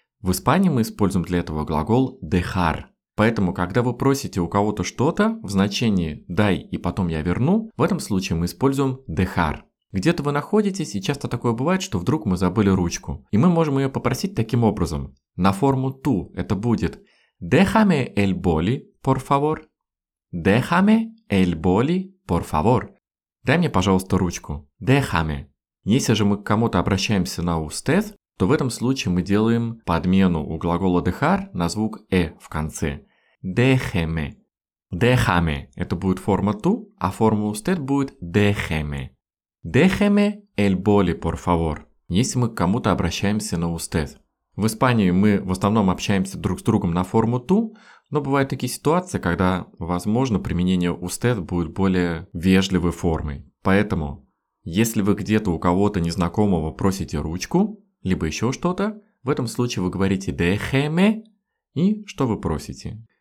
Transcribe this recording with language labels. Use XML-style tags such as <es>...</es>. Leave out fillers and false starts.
<ru>В Испании мы используем для этого глагол «dejar». Поэтому, когда вы просите у кого-то что-то в значении «дай, и потом я верну», в этом случае мы используем «dejar». Где-то вы находитесь, и часто такое бывает, что вдруг мы забыли ручку. И мы можем ее попросить таким образом. На форму «ту» это будет</ru> <es>«déjame el boli, por favor». «Déjame el boli, por favor».</es> <ru>«Дай мне, пожалуйста, ручку».</ru> <es>«Déjame».</es> <ru>Если же мы к кому-то обращаемся на «usted», то в этом случае мы делаем подмену у глагола dejar на звук «э» в конце.</ru> <es>Déjeme. Déjame.</es> <ru>Это будет форма «ту», а форма «usted» будет «déjeme».</ru> <es>Déjeme el boli, por favor.</es> <ru>Если мы к кому-то обращаемся на «usted». В Испании мы в основном общаемся друг с другом на форму «ту», но бывают такие ситуации, когда, возможно, применение «usted» будет более вежливой формой. Поэтому, если вы где-то у кого-то незнакомого просите ручку, либо еще что-то, в этом случае вы говорите «déjeme» и что вы просите?</ru>